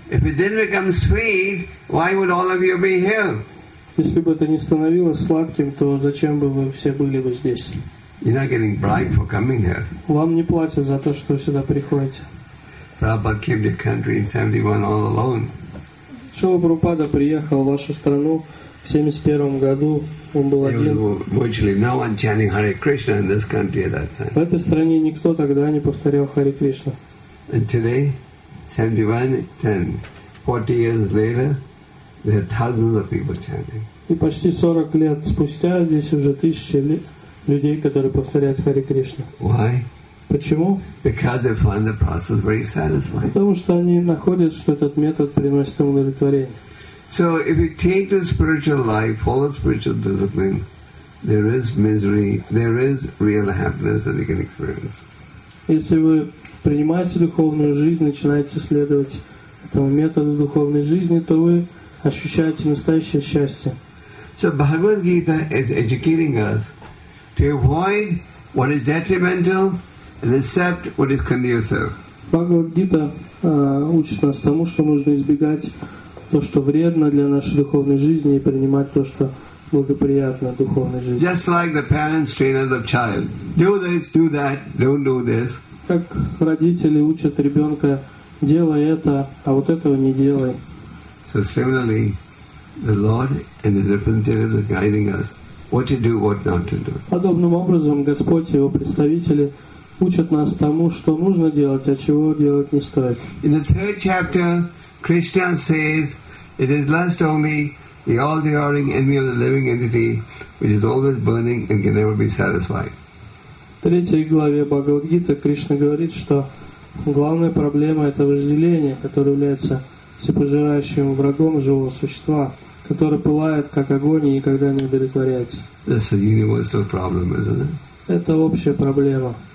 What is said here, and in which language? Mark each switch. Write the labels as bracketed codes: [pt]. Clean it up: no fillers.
[en] If it didn't become sweet, why would all of you be here? [ru] Если бы это не становилось сладким, то зачем бы вы все были бы здесь? [en] You're not getting bribed for coming here. [ru] Вам не платят за то, что вы сюда приходите. [en] Prabhupada came to your country in 71 all alone. [ru] Шрила Прабхупада приехал в вашу страну в 71 году. Он был один. [en] There was virtually no one chanting Hare Krishna in this country at that time. [ru] В этой стране никто тогда не повторял Hare Krishna. [en] And today, 71, 10, 40 years later, there are thousands of people chanting. [ru] И почти 40 лет спустя здесь уже тысячи лет. Людей, которые повторяют Харе Кришна. [en] Why? [ru] Почему? [en] Because they find the process very satisfying. [ru] Потому что они находят, что этот метод приносит им удовлетворение. [en] So if you take the spiritual life, follow spiritual discipline, there is misery, there is real happiness that you can experience. [ru] Если вы принимаете духовную жизнь, начинаете следовать этому методу духовной жизни, то вы ощущаете настоящее счастье. [en] So Bhagavad Gita is educating us to avoid what is detrimental and accept what is conducive. [ru] Bhagavad Gita учит нас тому, что нужно избегать то, что вредно для нашей духовной жизни, и принимать то, что благоприятно духовной жизни. [en] Just like the parents train the child, do this, do that, don't do this. [ru] Как родители учат ребенка, делай это, а вот этого не делай. [en] So similarly, the Lord and His representatives are guiding us. What to do, what not to do. [ru] Подобным образом Господь и его представители учат нас тому, что нужно делать, а чего делать не стоит. [en] In the third chapter, Krishna says, "It is lust only, the all-devouring enemy of the living entity, which is always burning and can never be satisfied." [ru] В третьей главе Бхагавад-гиты Кришна говорит, что главная проблема — это вожделение, которое является всепожирающим врагом живого существа, который пылает, как огонь, и никогда не удовлетворяется. [en] That's a universal problem, isn't it? [ru] Это общая проблема.